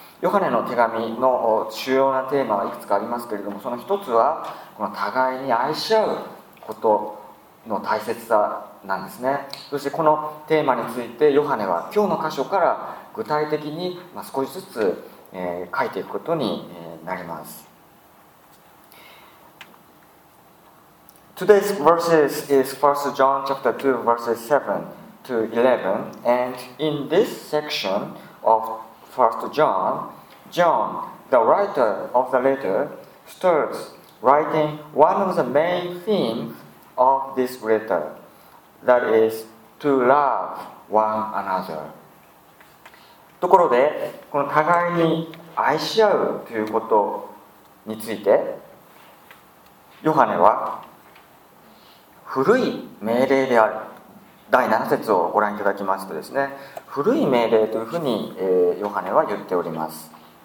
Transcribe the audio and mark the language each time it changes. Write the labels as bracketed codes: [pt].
[ja] ヨハネの手紙の主要なテーマはいくつかありますけれども、その一つはこの互いに愛し合うことの大切さなんですね。そしてこのテーマについてヨハネは今日の箇所から具体的に少しずつ書いていくことになります。 [en] Today's verses is 1 John chapter 2 verses 7 to 11, and in this section of 1 John, John, the writer of the letter, starts writing one of the main themes of this letter, that is to love one another. [ja] ところで、この互いに愛し合うということについて、ヨハネは古い命令である、第7節をご覧いただきますとですね、古い命令というふうに、ヨハネは言っております。